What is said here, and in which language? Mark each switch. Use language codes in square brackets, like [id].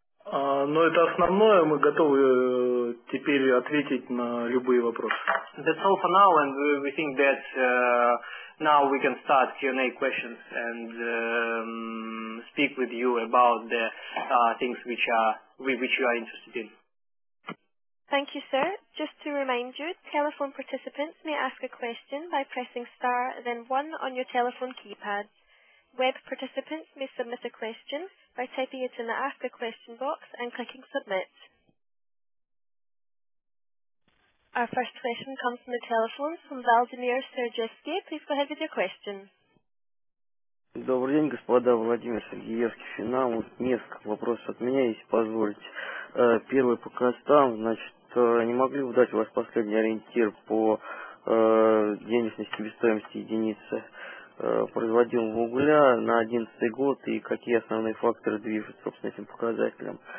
[ru] Но это основное, мы готовы теперь ответить на любые вопросы. [en] That's all for now, and we think that now we can start Q&A questions and speak with you about the things which you are interested in. Thank you, sir. Just to remind you, telephone participants may ask a question by pressing star, then one on your telephone keypad. Web participants may submit a question by typing it in the Ask a Question box and clicking Submit. Our first question comes from the telephone from Vladimir Sergeyevsky. Please go ahead with your question. [ru] Добрый день, господа. Владимир Сергеевский, Финам. Вот несколько вопросов от меня, если позволите. Первый по костам. Значит, не могли бы дать у вас последний ориентир по денежной себестоимости единицы производимого угля на 2011 год и какие основные факторы движут, собственно, этим показателем.